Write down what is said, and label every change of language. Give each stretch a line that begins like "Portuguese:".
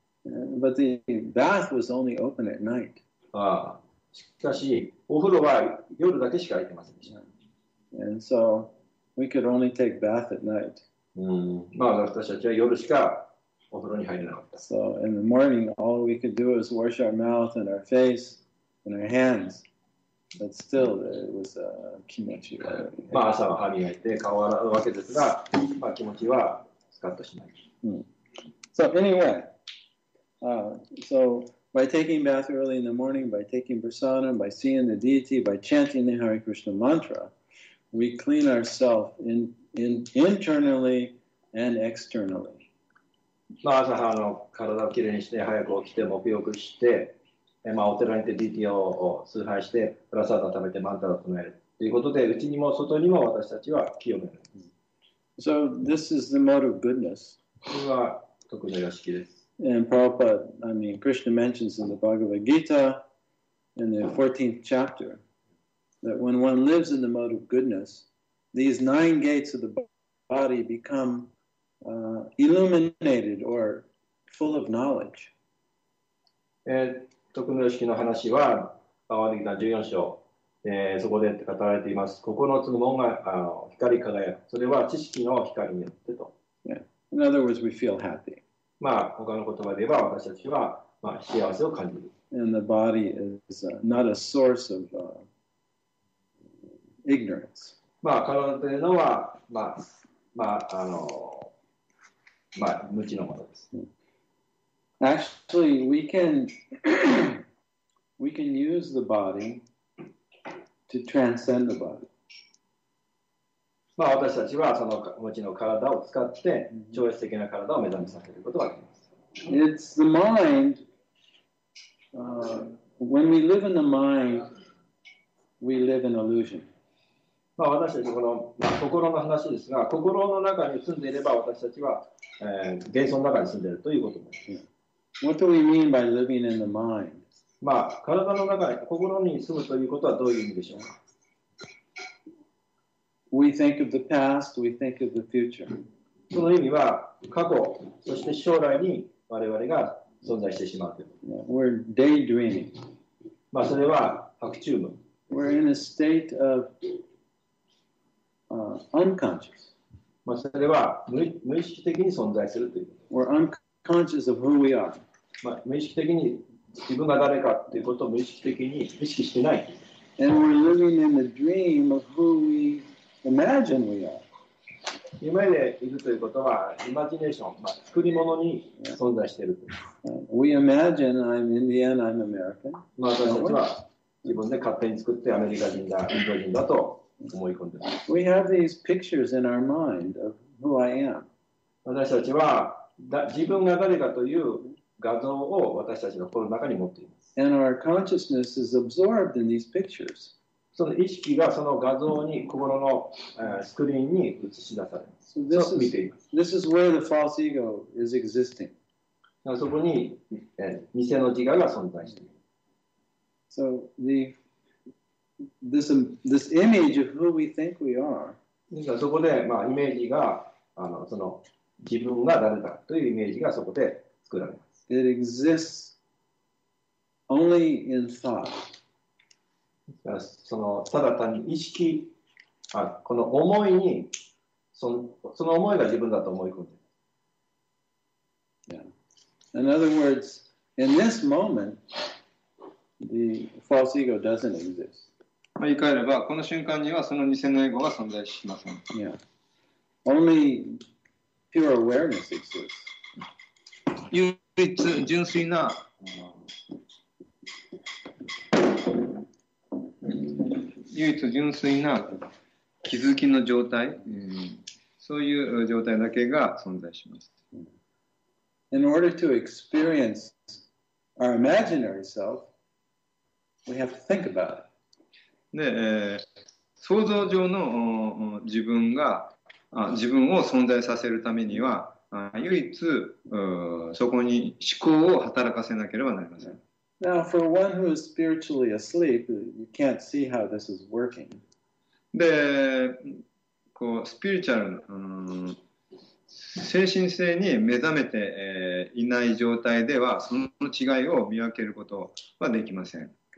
English: But the bath was only open at night.
Japanese: しかしお風呂は夜だけしか空いてませんでした。
English: And so we could only take bath at night.
Japanese: まあ私たちは夜しかお風呂に入れなかった。
English: So in the morning, all we could do is wash our mouth and our face and our hands. But still, it was a
Japanese: 気持ち悪い。まあ朝は歯磨いて顔を洗うわけですが、まあ気持ちはスカッとしない。
English: So anyway, so by taking bath early in the morning, by taking prasada, by seeing the deity, by chanting the Hare Krishna mantra, we clean ourselves internally and externally.
Japanese: まあ、朝はあの体をきれいにして早く起きて沐浴して、まあ、お寺に行って DT を崇拝してプラサダを食べてマンタラを唱えるっということで、内にも外にも私たちは清める。
English: So this is the mode of goodness.
Japanese: これは徳の様式です。
English: And Prabhupada, I mean, Krishna mentions in the Bhagavad Gita in the 14th chapter that when one lives in the mode of goodness, these nine gates of the body become illuminated or full of knowledge.
Japanese: 徳の様式の話は、バガヴァギータ14章、そこで語られています。 9つの門が光り輝く。それは知識の光によってと。
English: Yeah. In other words, we feel happy.
Japanese: まあ、他の言葉で言えば私たちは、まあ、幸せを感じる。
English: And the body is not a source of ignorance.
Japanese: まあ、体というのは、まあ、まあ、まあ、無知のものです。
English: Actually, we can use the body to transcend the body.
Japanese: まあ、私たちはそのもちろん体を使って超越的な体を目覚めさせることができます。
English: It's the mind. When we live in the mind, we live in illusion.
Japanese: まあ、私たちこの、まあ、心の話ですが、心の中に住んでいれば私たちは、幻想の中に住んでいるということです。
English: What do we mean by living in the mind?
Japanese: まあ、体の中に心に住むということはどういう意味でしょうか。
English: We think of the past, we think of the future.
Japanese: その意味は過去、そして将来に我々が存在してしまうという。
English: We're daydreaming.
Japanese: まあそれは白昼夢。
English: We're in a state of unconscious.
Japanese: まあそれは無意識的に存在するという。
English: We're unconscious of who we are.
Japanese: まあ無意識的に自分が誰かということを無意識的に意識してない。
English: And we're living in the dream of who we are. Imagine we are.
Japanese: 夢でいるということは、イマジネーション、まあ、作り物に存在しているという。
English: We imagine I'm Indian, I'm American.
Japanese: まあ、私たちは自分で勝手に作ってアメリカ人だ、インド人だと思い込んでいます。
English: We have these pictures in our mind of who I am.
Japanese: 私たちは自分が誰かという画像を私たちの心の中に持っています。
English: And our consciousness is absorbed in these pictures.
Japanese: その意識がその画像に心の、スクリーンに映し出されます。そう見ています。
English: This is where the false ego is existing.
Japanese: そこに、偽の自我が存在している。
English: So this image of who we think we are.
Japanese: ですからそこで、まあ、イメージがその自分が誰だというイメージがそこで作られます。
English: It exists only in thought.
Japanese: そのただ単に意識、この思いに、その思いが自分だと思い込んでいる。
English: Yeah. In other words, in this moment, the false ego doesn't exist.
Japanese: まあ言い換えれば、この瞬間にはその偽のエゴは存在しません。
English: Yeah. Only pure awareness exists.
Japanese: 唯一純粋な。唯一純粋な気づきの状態、そういう状態だけが存在します。
English: In order to experience our imaginary self, we have to think about it.
Japanese: で、想像上の自分が、自分を存在させるためには、唯一そこに思考を働かせなければなりません。
English: Now, for one who is spiritually asleep, you can't see how this is working.
Japanese: で、こう、スピリチュアル、精神性に目覚めて、いない状態では、その違いを見分けることはできません。